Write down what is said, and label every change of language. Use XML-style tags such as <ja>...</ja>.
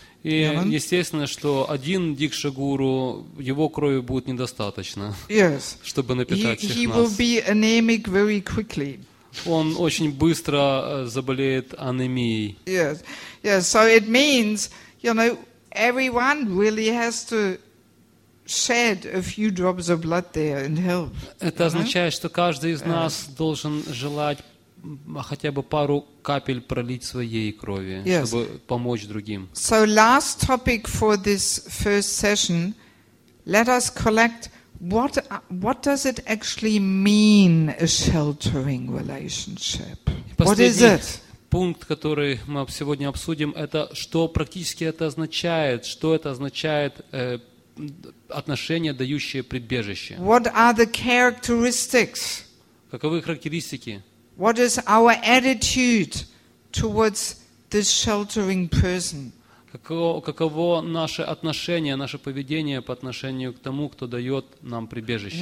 <ru>И естественно, что один Дикша Гуру, его крови будет недостаточно,</ru> <en>yes,</en> <ru>чтобы напитать всех нас.</ru> <en>He will be anemic very quickly.</en> <ru>Он очень быстро заболеет анемией.</ru> <en>Yes. Yes. So it means, everyone really has to shed a few drops of blood there and help.</en> <ru>Это означает, что каждый из нас должен желать хотя бы пару капель пролить своей крови, чтобы помочь другим.</ru> <en>So last topic for this first session, let us collect what does it actually mean a sheltering relationship? What is it?</en> <ru>Пункт, который мы сегодня обсудим, это что практически это означает, что это означает отношения, дающие прибежище.</ru> <en>What are the characteristics?</en> <ru>Каковы характеристики?</ru> <en>What is our attitude towards this sheltering person?</en> <ru>Каково наше отношение, наше поведение по отношению к тому, кто дает нам прибежище?</ru>